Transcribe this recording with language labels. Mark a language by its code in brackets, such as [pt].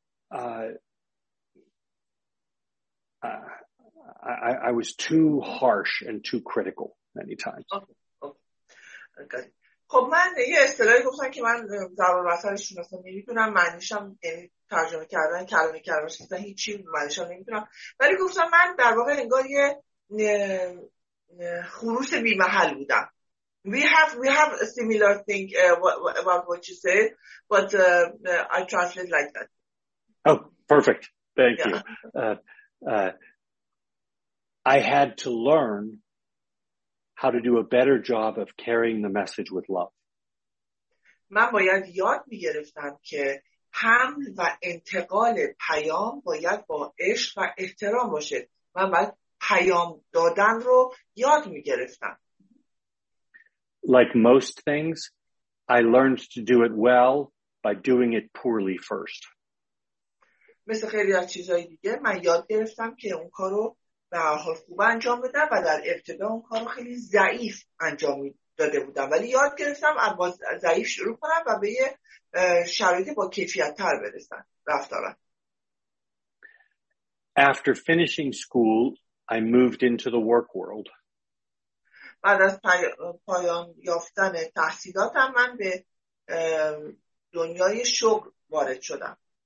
[en] I was too harsh and too critical many times. [fa] خب من یه اصطلاحی گفتم که من زبان بشر شناسم نمیدونم معنیشم، یعنی ترجمه کردن کلمه کلمه اصلا هیچی معنیشم نمیدونم، ولی گفتم من در واقع انگار یه خروس بی محل بودم. [en] We have similar thing about what you said, but I translate like that. Oh, perfect. Thank you. I had to learn how to do a better job of carrying the message with love. [fa] من باید یاد می‌گرفتم که حمل و انتقال پیام باید با عشق و احترام باشه. من باید پیام دادن رو یاد می‌گرفتم. [en] Like most things, I learned to do it well by doing it poorly first. [fa] مثل خیلی از چیزهای دیگه من یاد گرفتم که اون کارو به هر حال خوب انجام بدم و در ابتدا اون کار رو خیلی ضعیف انجام داده بودم، ولی یاد گرفتم اما ضعیف شروع کنم و به یه شرایط با کیفیت تر برسم رفتارم. [en] After finishing school, I moved into the work world. [fa] بعد از پایان یافتن تحصیلاتم من به دنیای شغل وارد شدم.